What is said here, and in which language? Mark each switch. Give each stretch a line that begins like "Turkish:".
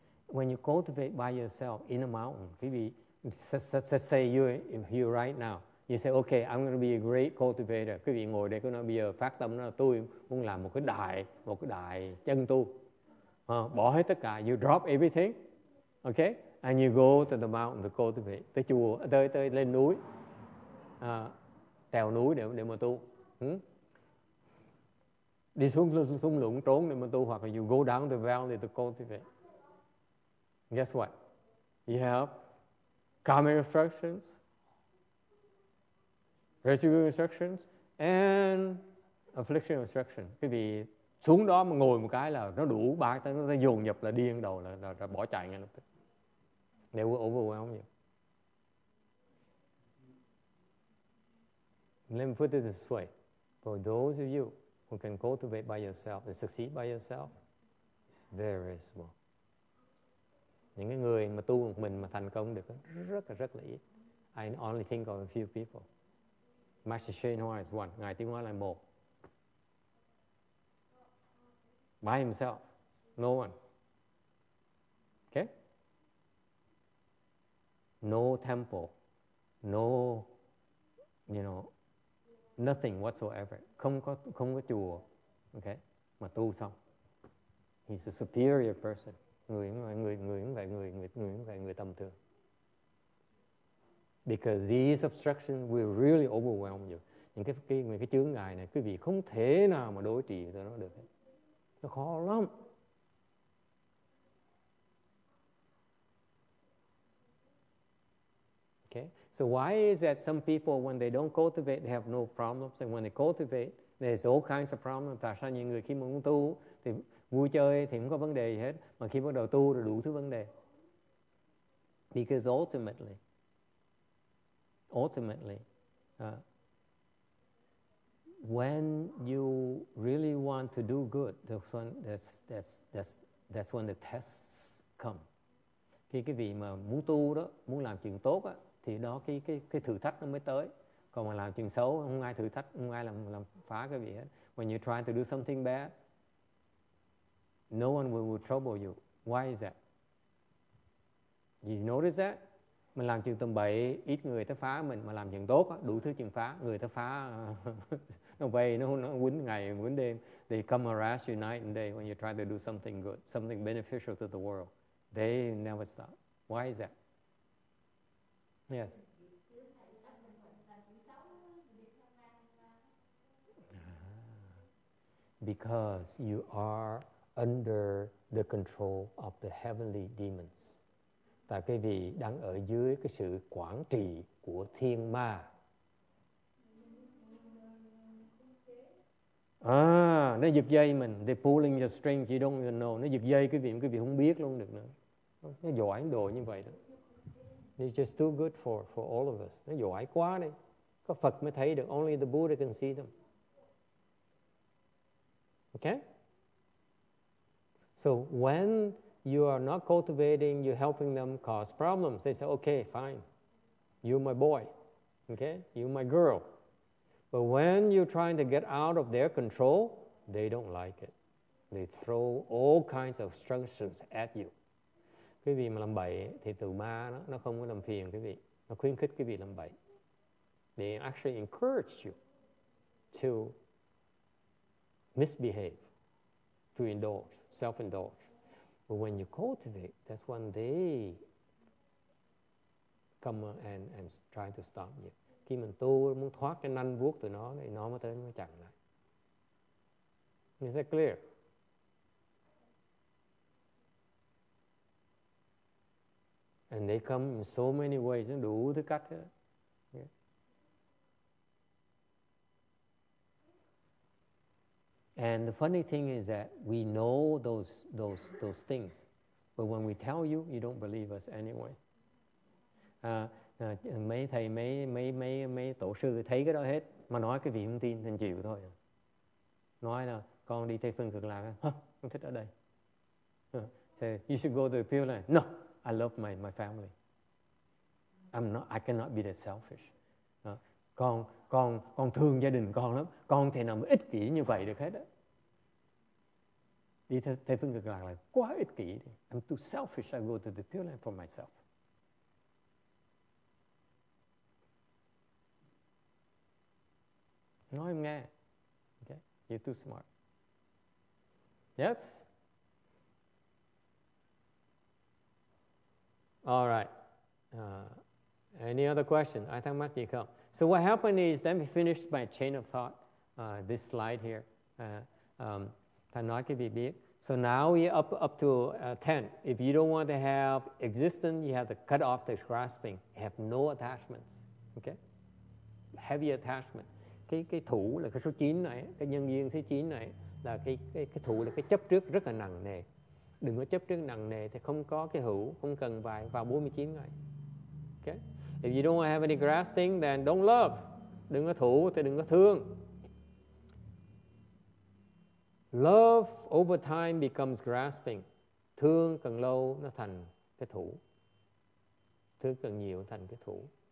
English: When you cultivate by yourself in a mountain, let's say you right now, you say, okay, I'm going to be a great cultivator.
Vietnamese: Quý vị ngồi đây, cứ nói bây giờ phát tâm là tôi muốn làm một cái đại chân tu. Bỏ hết tất cả,
English: you drop everything,
Vietnamese: okay?
English: And you go to the mountain to cultivate.
Vietnamese: Tới chùa, tới lên núi, trèo núi để mà tu. Đi xuống lũng trốn để mà tu, hoặc là
English: you go down the valley to cultivate. Guess what? You have karmic obstructions, residual obstructions, and affliction obstruction.
Vietnamese: Quý vị xuống đó mà ngồi một cái là nó đủ ba, nó dồn nhập là điên đầu, là bỏ chạy ngay lập tức.
English: They will overwhelm you. Let me put it this way. For those of you who can cultivate by yourself and succeed by yourself, it's very small. Những cái người mà tu một mình mà thành công được rất là ít. I only think of a few people. Master Shane Hoa is one.
Vietnamese: Ngài Tiếng Hoa là một.
English: By himself. No one. Okay? No temple. No, you know, nothing whatsoever.
Vietnamese: Không có chùa. Okay? Mà tu xong.
English: He's a superior person.
Vietnamese: Người tầm thường.
English: Because these obstructions will really overwhelm you.
Vietnamese: Những cái chướng ngại này, quý vị không thể nào mà đối trị cho nó được. Nó khó lắm.
English: Okay. So why is that some people, when they don't cultivate, they have no problems, and when they cultivate, there's all kinds of problems.
Vietnamese: Tại sao những người khi muốn tu thì vui chơi thì không có vấn đề gì hết, mà khi bắt đầu tu rồi đủ thứ vấn đề.
English: Because ultimately, when you really want to do good, that's when the tests come.
Vietnamese: Khi cái vị mà muốn tu đó, muốn làm chuyện tốt á, thì đó cái thử thách nó mới tới. Còn mà làm chuyện xấu, không ai thử thách, không ai làm phá cái vị hết.
English: When you try to do something bad, no one will trouble you. Why is that? You notice that?
Vietnamese: Mình làm chuyện tầm bậy, ít người ta phá mình, mà làm chuyện tốt, đủ thứ chuyện phá. Người ta phá, nó quýnh ngày, quýnh đêm.
English: They come harass you night and day when you try to do something good, something beneficial to the world. They never stop. Why is that? Yes. Because you are under the control of the heavenly demons.
Vietnamese: Tại quý vị đang ở dưới cái sự quản trị của thiên ma. À, nó giật dây mình.
English: They pulling your strings, you don't even know.
Vietnamese: Nó giật dây quý vị không biết luôn được nữa. Nó giỏi đồ như vậy đó.
English: It's just too good for all of us.
Vietnamese: Nó giỏi quá đấy. Có Phật mới thấy được.
English: Only the Buddha can see them. Okay? So when you are not cultivating, you're helping them cause problems. They say, okay, fine. You're my boy. Okay? You're my girl. But when you're trying to get out of their control, they don't like it. They throw all kinds of obstructions at you.
Vietnamese: Quý vị mà làm bậy thì tự ma nó không có làm phiền quý vị. Nó khuyến khích quý vị làm bậy.
English: They actually encourage you to misbehave, to indulge, self-indulge. But when you cultivate, that's when they come and try to stop you.
Vietnamese: Khi mình tu muốn thoát cái nanh vuốt từ nó thì nó mới tới nó chặn lại.
English: Is that clear? And they come in so many ways,
Vietnamese: đủ thứ cách hết.
English: And the funny thing is that we know those things, but when we tell you, you don't believe us anyway.
Vietnamese: Mấy thầy mấy tổ sư thấy cái đó hết mà nói cái vị không tin thành chịu thôi. Nói là con đi Tây Phương Cực Lạc, không thích ở đây.
English: Say you should go to the Pure Land. No, I love my family. I cannot be that selfish.
Vietnamese: Con thương gia đình con lắm. Con thể nào mà ích kỷ như vậy được hết á. Đi Tây Phương Cực Lạc là quá ích kỷ.
English: I'm too selfish. I go to the Pure Land for myself.
Vietnamese: Nói em nghe.
English: Okay? You're too smart. Yes? All right. Any other question? I thank Matthew come. So what happened is, let me finish my chain of thought, this slide here.
Vietnamese: Thầy nói cái biết.
English: So now we're up to 10. If you don't want to have existence, you have to cut off the grasping. You have no attachments. Okay? Heavy attachment.
Vietnamese: Cái thủ là cái số 9 này, cái nhân duyên số 9 này, là cái thủ là cái chấp trước rất là nặng nề. Đừng có chấp trước nặng nề thì không có cái hữu, không cần phải vào 49 ngày.
English: Okay? If you don't want to have any grasping, then don't love.
Vietnamese: Đừng có thủ thì đừng có thương.
English: Love over time becomes grasping.
Vietnamese: Thương càng lâu nó thành cái thủ. Thương càng nhiều thành cái thủ.